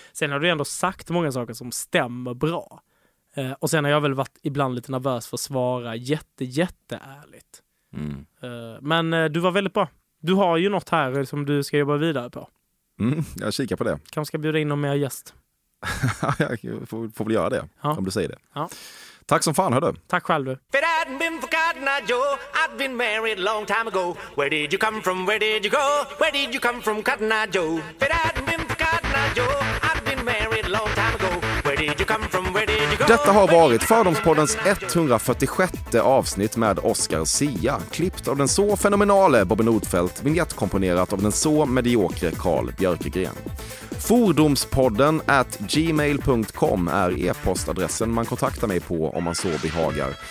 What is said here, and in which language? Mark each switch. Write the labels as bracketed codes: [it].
[sv] Sen har du ändå sagt många saker som stämmer bra. Och sen har jag väl varit ibland lite nervös för att svara jätteärligt. Mm. Men du var väldigt bra. Du har ju något här som du ska jobba vidare på. Mm, jag kikar på det. Kanske ska bjuda in någon mer gäst. Jag får väl göra det, ja. Om du säger det. Ja. Tack som fan, hörde. Tack själv. [en] If it hadn't been for Cotton Eye Joe, I'd been married a long time ago. Where did you come from? Where did you go? Where did you come from, Cotton Eye Joe? If it hadn't been for Cotton Eye Joe, I'd been married a long time ago. Where did you come from? Where did you go? [sv] Detta har varit Fördomspoddens 146 avsnitt med Oscar Sia, klippt av den så fenomenale Bobby Nordfeldt, vignettkomponerat av den så mediokre Carl Björkegren. Fordomspodden @gmail.com är e-postadressen man kontaktar mig på om man så behagar.